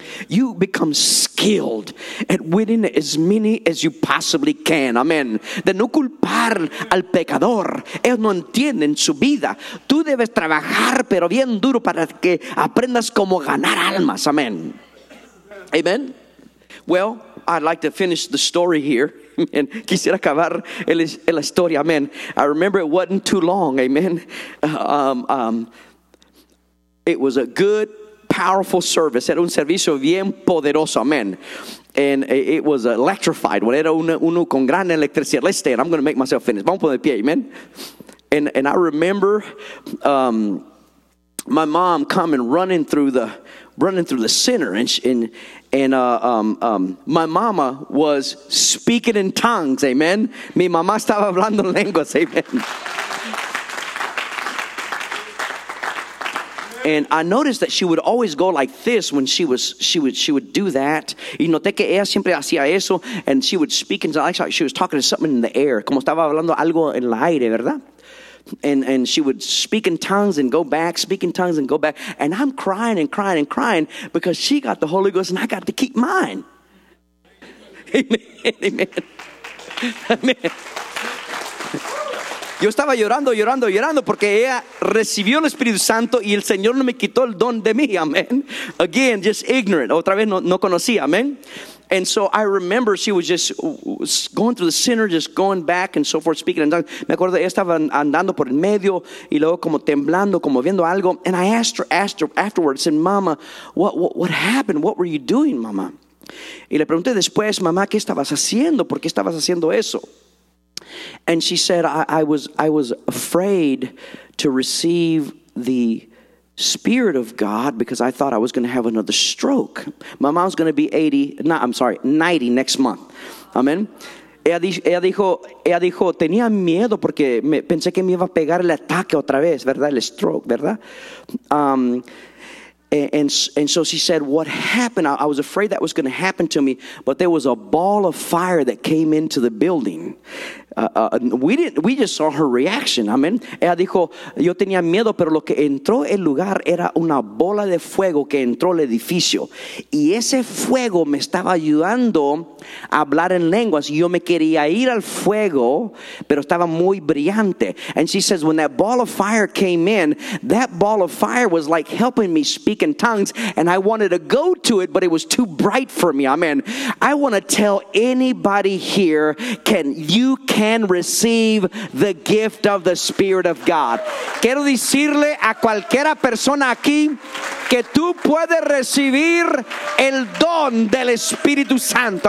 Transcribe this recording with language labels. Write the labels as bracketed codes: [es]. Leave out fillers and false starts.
[en] You become skilled at winning as many as you possibly can. Amen. [es] De no culpar al pecador. Ellos no entienden su vida. Tú debes trabajar, pero bien duro, para que aprendas cómo ganar almas. Amen. Amen. [en] Well, I'd like to finish the story here. [es] Amen. Quisiera acabar la historia. Amen. [en] I remember it wasn't too long. Amen. It was a good, powerful service. [es] Era un servicio bien poderoso. Amen. [en] And it was electrified. [es] Bueno, era uno con gran electricidad. [en] Let's stand. I'm going to make myself finish. [es] Vamos a poner pie. [en] Amen. And I remember my mom coming running through the center, and my mama was speaking in tongues. Amen. [es] Mi mamá estaba hablando lenguas. Amen. [en] And I noticed that she would always go like this when she would do that. [es] Y noté que ella siempre hacía eso, [en] and she would speak in tongues, like she was talking to something in the air. [es] Como estaba hablando algo en el aire, ¿verdad? [en] And she would speak in tongues and go back, speak in tongues and go back. And I'm crying and crying and crying because she got the Holy Ghost and I got to keep mine. Amen. Amen. [es] Yo estaba llorando, llorando, llorando porque ella recibió el Espíritu Santo y el Señor no me quitó el don de mí. Amen. [en] Again, just ignorant. [es] Otra vez no conocía. Amen. [en] And so I remember she was just going through the center, just going back and so forth, speaking in tongues. [es] Me acuerdo, ella estaba andando por el medio y luego como temblando, como viendo algo. [en] And I asked her afterwards, said, Mama, what happened? What were you doing, Mama? [es] Y le pregunté después, Mama, ¿qué estabas haciendo? ¿Por qué estabas haciendo eso? [en] And she said, I was afraid to receive the Spirit of God because I thought I was going to have another stroke. My mom's going to be 80, no, I'm sorry, 90 next month. Amen. [es] Ella dijo, tenía miedo porque pensé que me iba a pegar el ataque otra vez, ¿verdad? El stroke, ¿verdad? [en] And so she said, what happened? I was afraid that was going to happen to me, but there was a ball of fire that came into the building. we just saw her reaction. Amen. [es] Ella dijo, yo tenía miedo, pero lo que entró el lugar era una bola de fuego que entró al edificio. Y ese fuego me estaba ayudando a hablar en lenguas. Yo me quería ir al fuego, pero estaba muy brillante. [en] And she says, when that ball of fire came in, that ball of fire was like helping me speak in tongues. And I wanted to go to it, but it was too bright for me. Amen. I want to tell anybody here, can receive the gift of the Spirit of God. [es] Quiero decirle a cualquiera persona aquí que tú puedes recibir el don del Espíritu Santo.